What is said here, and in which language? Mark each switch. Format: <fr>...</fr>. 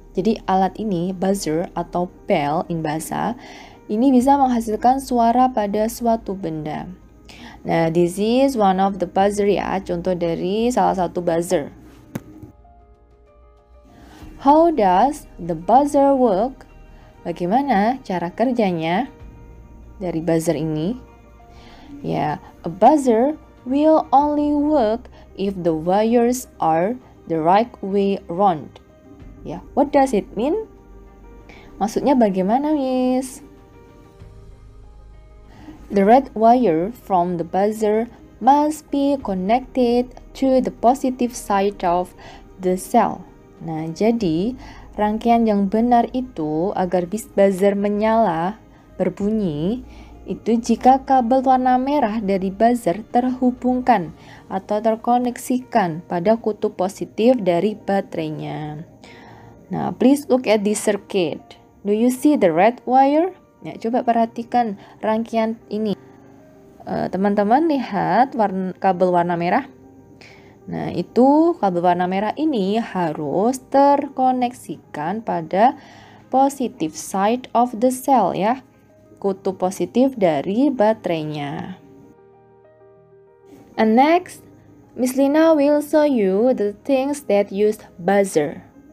<id>Jadi alat ini, buzzer atau bell in bahasa, ini bisa menghasilkan suara pada suatu benda.</id> <en>Nah, this is one of the buzzer ya,</en> <id>contoh dari salah satu buzzer.</id> <en>How does the buzzer work?</en> <id>Bagaimana cara kerjanya dari buzzer ini?</id> <en>Ya, a buzzer will only work if the wires are the right way round. Ya, what does it mean?</en> <id>Maksudnya bagaimana,</id> <en>Miss? The red wire from the buzzer must be connected to the positive side of the cell.</en> <id>Nah, jadi rangkaian yang benar itu agar buzzer menyala, berbunyi, itu jika kabel warna merah dari buzzer terhubungkan atau terkoneksikan pada kutub positif dari baterainya.</id> <en>Nah, please look at this circuit. Do you see the red wire?</en> <id>Ya, coba perhatikan rangkaian ini. Teman-teman lihat kabel warna merah? Nah, itu kabel warna merah ini harus terkoneksikan pada</id> <en>positive side of the cell</en> <id>ya. Kutub positif dari baterainya.</id> <en>And next, Miss Lina will show you the things that use buzzer.</en>